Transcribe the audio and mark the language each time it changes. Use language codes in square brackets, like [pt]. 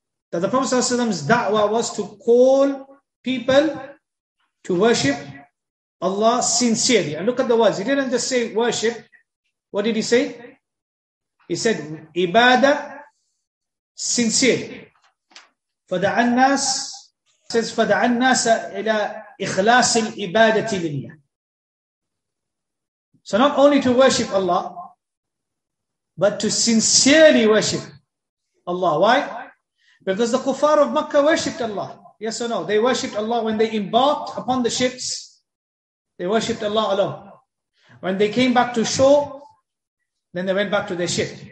[en] That the Prophet's da'wah was to call people to worship Allah sincerely. And look at the words. He didn't just say worship. What did he say? He said, ibadah, sincerely. [ar] فَدَعَ النَّاسِ says, فَدَعَ النَّاسَ إِلَىٰ إِخْلَاسِ الْإِبَادَةِ لِلَّهِ. [en] So not only to worship Allah, but to sincerely worship Allah. Why? Because the kuffar of Makkah worshipped Allah. Yes or no? They worshipped Allah when they embarked upon the ships. They worshipped Allah alone. When they came back to shore, then they went back to their ship.